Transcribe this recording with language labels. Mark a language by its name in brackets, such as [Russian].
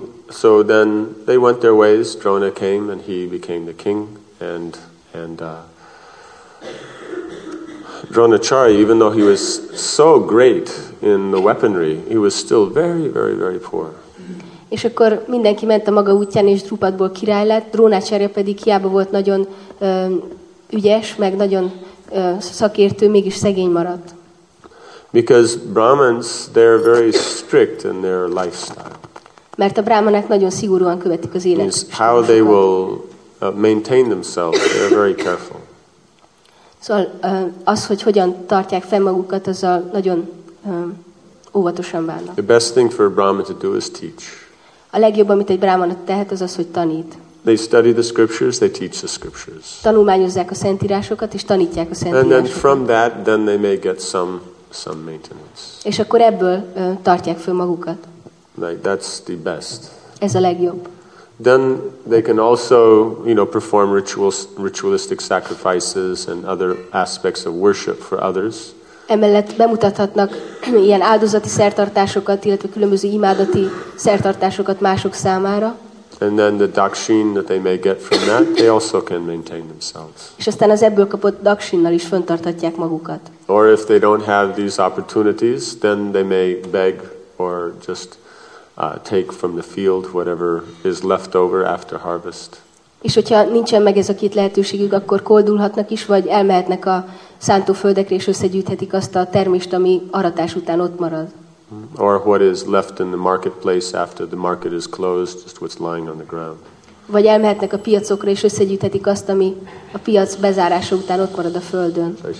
[English] So then they went their ways. Drona came and he became the king. And Dronacharya, even though he was so great in the weaponry, he was still very, very, very poor. [Hungarian] És akkor mindenki ment a maga útján, és Drupadból király lett. Drónacharya pedig hiába volt nagyon ügyes, meg nagyon szakértő, mégis szegény maradt. [English] Because Brahmins, they're very strict in their lifestyle. [Hungarian] Mert a brámanák nagyon szigorúan követik az életüket. [English] Means how they will maintain themselves. They are very careful. [Hungarian] Szóval az, hogy hogyan tartják fenn magukat, azzal nagyon óvatosan válnak. [English] The best thing for a brahman to do is teach. [Hungarian] A legjobb, amit egy brámana tehet, az az, hogy tanít. [English] They study the scriptures, they teach the scriptures. [Hungarian] Tanulmányozzák a szentírásokat, és tanítják a szentírásokat. [English] And then from that, then they may get some maintenance. [Hungarian] És akkor ebből tartják fenn magukat. [English] Like that's the best. [Hungarian] Ez a legjobb. [English] Then they can also, you know, perform ritualistic sacrifices and other aspects of worship for others. [Hungarian] Emellett bemutathatnak ilyen áldozati szertartásokat, illetve különböző imádati szertartásokat mások számára. [English] And then the dakshin that they may get from that, they also can maintain themselves. [Hungarian] És aztán az ebből kapott dakshinnal is fönntartatják magukat. [English] Or if they don't have these opportunities, then they may beg or just take from the field whatever is left over after harvest. [Hungarian] És hogyha nincsen meg ez a két lehetőségük, akkor koldulhatnak is, vagy elmehetnek a szántóföldekre, és összegyűjthetik azt a termést, ami aratás után ott marad. [English] Or what is left in the marketplace after the market is closed, just what's lying on the ground. [Hungarian] Vagy elmehetnek a piacokra, és összegyűjthetik azt, ami a piac bezárása után ott marad a földön.